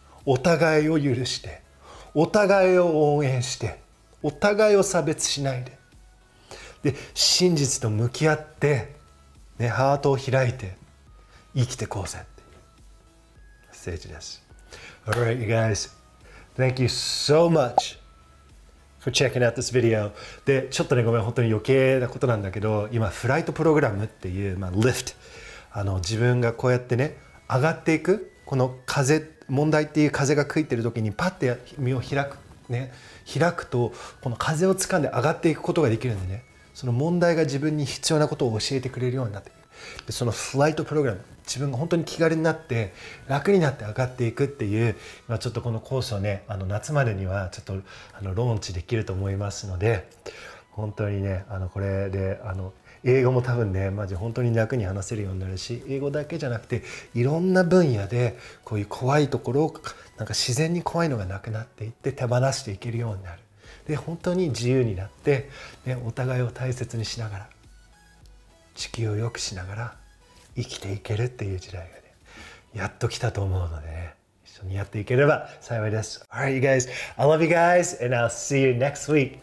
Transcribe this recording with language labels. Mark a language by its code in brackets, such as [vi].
[ja] お互いを許して、お互いを応援して、お互いを差別しないで、で真実と向き合って、ね、ハートを開いて生きてこうぜっていうメッセージです。 [en] Alright you guys, thank you so much for checking out this video. [ja] でちょっとねごめん、本当に余計なことなんだけど、今フライトプログラムっていう、まあ、Lift、 自分がこうやってね上がっていく、この風問題っていう風が吹いてる時にパッて身を開くね、開くとこの風を掴んで上がっていくことができるんでね、その問題が自分に必要なことを教えてくれるようになって、でそのフライトプログラム、自分が本当に気軽になって楽になって上がっていくっていう、今ちょっとこのコースをね、夏までにはちょっとローンチできると思いますので、本当にねこれで英語も多分ね、マジ本当に楽に話せるようになるし、英語だけじゃなくていろんな分野でこういう怖いところをなんか自然に怖いのがなくなっていって手放していけるようになる、で本当に自由になって、ね、お互いを大切にしながら地球を良くしながら生きていけるっていう時代がねやっと来たと思うので、ね、一緒にやっていければ幸いです。 [en] Alright you guys, I love you guys and I'll see you next week.